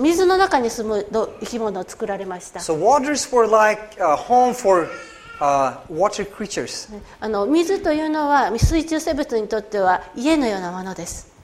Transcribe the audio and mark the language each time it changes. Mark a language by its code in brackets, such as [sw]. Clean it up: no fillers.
[ja] 水の中に住む生き物を作られました。 [en] So waters were like a home for water creatures. [ja] 水というのは水中生物にとっては家のようなものです。